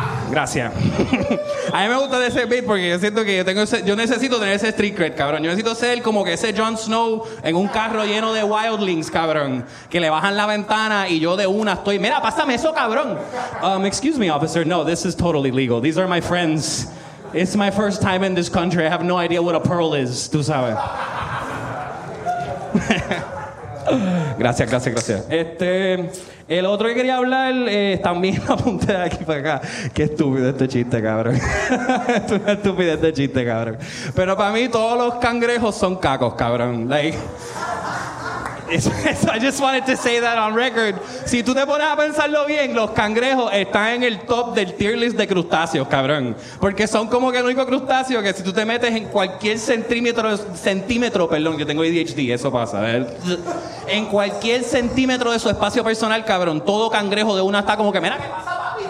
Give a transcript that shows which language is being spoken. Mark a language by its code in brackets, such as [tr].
[es] Gracias. A mí me gusta de ese beat porque yo siento que yo necesito tener ese street cred, cabrón. Yo necesito ser como que ese Jon Snow en un carro lleno de wildlings, cabrón. Que le bajan la ventana y yo de una estoy, mira, pásame eso, cabrón. [en] Excuse me, officer. No, this is totally legal. These are my friends. It's my first time in this country. I have no idea what a pearl is. [es] Tú sabes. Gracias, gracias, gracias. El otro que quería hablar, también apunté de aquí para acá. Qué estúpido este chiste, cabrón. Estúpido este chiste, cabrón. Pero para mí todos los cangrejos son cacos, cabrón. [en] I just wanted to say that on record. [es] Si tú te pones a pensarlo bien, los cangrejos están en el top del tier list de crustáceos, cabrón. Porque son como que el único crustáceo que si tú te metes en cualquier centímetro, yo tengo ADHD, eso pasa. En cualquier centímetro de su espacio personal, cabrón, todo cangrejo de una está como que, mira, ¿qué pasa, papi?